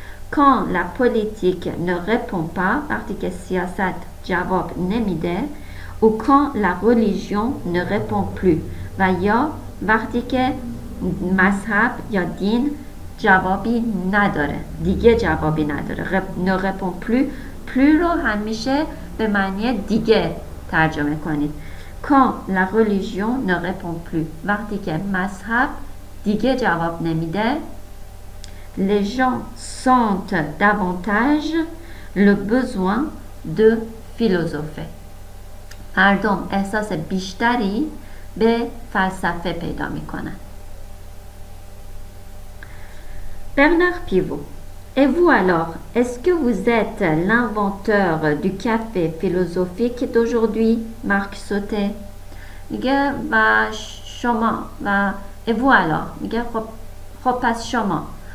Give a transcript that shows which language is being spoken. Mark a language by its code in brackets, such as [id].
[fr] Quand la politique ne répond pas, [fa] وقتی که سیاست جواب نمیده, [fr] ou quand la religion ne répond plus, [fa] و یا وقتی که مذهب یا دین جوابی نداره, دیگه جوابی نداره. [fr] Ne répond plus, plus [fa] رو همیشه به معنی دیگه ترجمه کنید. [fr] Quand la religion ne répond plus, [fa] وقتی که مذهب دیگه جواب نمیده, [fr] les gens sentent davantage le besoin de philosopher. [fa] مردم احساس بیشتری به فلسفه پیدا می کنند. [fr] Bernard Pivot. Et vous alors, est-ce que vous êtes l'inventeur du café philosophique d'aujourd'hui, Marc Sauté? [fa] میگه و شما و [fr] et vous alors, [fa] میگه خب پس شما.